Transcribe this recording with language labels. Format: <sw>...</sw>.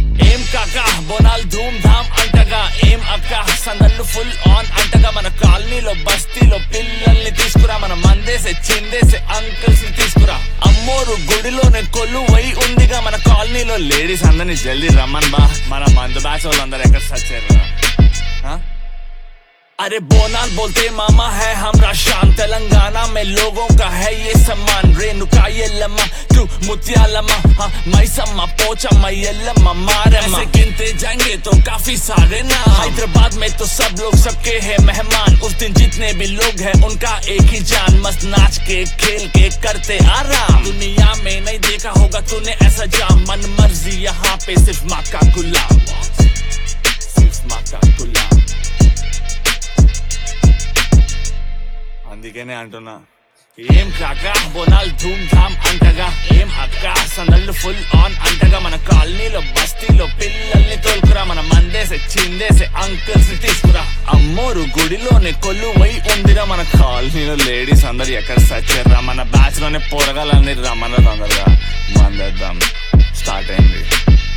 <te>ఏం కాక బోనాల్ ధూమ్ ధామ్ అంటగా, ఏం అక్క సందళ్ళు ఫుల్ ఆన్ అంటగా, మన కాలనీలో బస్తీలో పిల్లల్ని తీసుకురా, మన మందేసే చిందేసే అంకుల్స్ ని తీసుకురా, అమ్మోరు గుడిలోనే కొల్లు వై ఉందిగా, మన కాలనీలో లేడీస్ అందరిని జల్దీ రమ్మన్ బా, మన మందు బ్యాచ్ వాళ్ళందరూ ఎక్కడ సచ్చారు.</te> <hi>अरे बोनाल बोलते मामा है हमरा शान, तेलंगाना में लोगों का है ये सम्मान, रेणुका ये लम्मा तू मुतिया लम्मा, हाँ मई सम्मा पोचा मई लम्मा मारम्मा, ऐसे गिनते जाएंगे तो काफी सारे नाम, हैदराबाद में तो सब लोग सबके है मेहमान, उस दिन जितने भी लोग हैं उनका एक ही जान, मस्त नाच के खेल के करते आराम, दुनिया में नहीं देखा होगा तूने ऐसा जाम, मन मर्जी यहाँ पे सिर्फ माँ का गुलाम, सिर्फ माँ का गुलाम.</hi> <te>అందుకనే అంటున్నా ఏం కాక బోనాల్ ధూమ్ ధామ్ అంటగా, ఏం అక్క సందళ్ళు ఫుల్ ఆన్ అంటగా, మన కాలనీలో బస్తీలో పిల్లల్ని తోలుకురా, మన మందేసే చిందేసే అంకుల్స్ ని తీసుకురా, అమ్మోరు గుడిలోనే కొల్లు వై ఉందిరా, మన కాలనీలో లేడీస్ అందరు ఎక్కడ సచ్చారా, మన బ్యాచ్ లోనే పోరగాలన్నీ రమ్మన్నారు అందరు, మందేద్దాం స్టార్ట్ అయింది.</te>